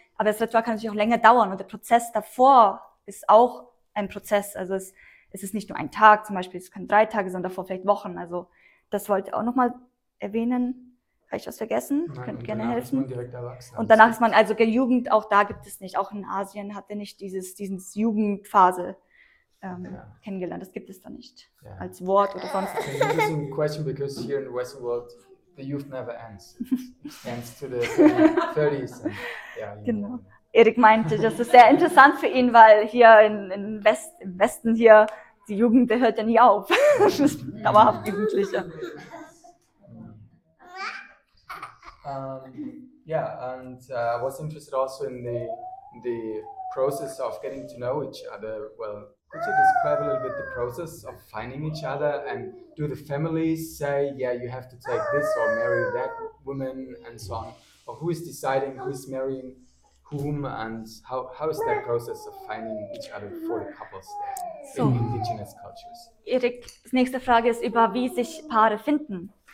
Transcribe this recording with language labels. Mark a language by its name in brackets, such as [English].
[German] Aber das Ritual kann natürlich auch länger dauern und der Prozess davor ist auch ein Prozess, also es ist nicht nur ein Tag, zum Beispiel, es können 3 Tage, sondern davor vielleicht Wochen. Also das wollte ich auch nochmal erwähnen. Habe ich was vergessen? Nein, könnt gerne helfen. Ist man direkt erwachsen. Und danach ist man, also Jugend, auch da gibt es nicht. Auch in Asien hat er nicht diese Jugendphase kennengelernt. Das gibt es da nicht als Wort oder sonst. [English] It's an interesting question because here in the Western world the youth never ends. It ends to the 30s. [German] Genau. Erik meinte, das ist sehr interessant für ihn, weil hier im Westen hier die Jugend, der hört ja nie auf. Dauerhaft Jugendliche. [English] I was interested also in the process of getting to know each other. Well, could you describe a little bit the process of finding each other? And do the families say, yeah, you have to take this or marry that woman and so on? Or who is deciding, who is marrying? Whom and how is that process of finding each other for the couples there in indigenous cultures? [German] Erik's nächste Frage ist über wie sich Paare finden.